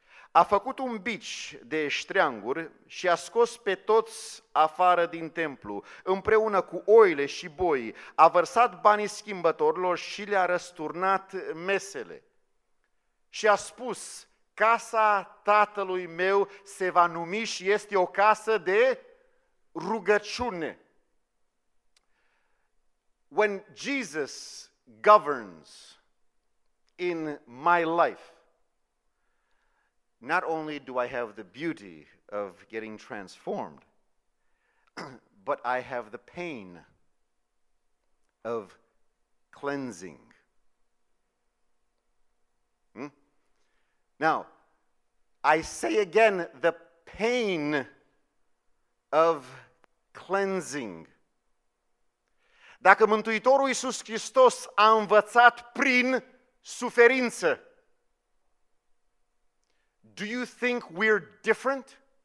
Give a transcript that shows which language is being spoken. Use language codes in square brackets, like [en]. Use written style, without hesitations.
[ro] A făcut un bici de ștreanguri și a scos pe toți afară din templu, împreună cu oile și boi, a vărsat banii schimbătorilor și le-a răsturnat mesele. Și a spus, casa tatălui meu se va numi și este o casă de rugăciune. [en] When Jesus governs in my life, not only do I have the beauty of getting transformed, but I have the pain of cleansing. Now, I say again, the pain of cleansing. [ro] Dacă Mântuitorul Iisus Hristos a învățat prin suferință, [en] do you think we're different?